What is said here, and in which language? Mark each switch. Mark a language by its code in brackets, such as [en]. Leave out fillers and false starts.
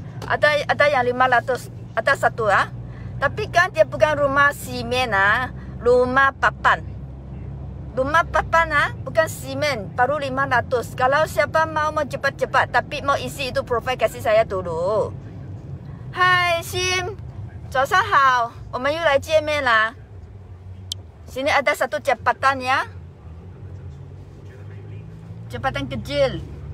[ms] Ada yang 500, ada satu ya. Tapi kan dia bukan rumah simen, rumah papan. Rumah papan ha? Bukan simen, baru 500. Kalau siapa mau cepat-cepat tapi mau isi itu profile kasih saya dulu. [zh] Hai Sim, 早上好，我们又来见面啦。 [ms] Sini ada satu jepatan ya, jepatan kecil.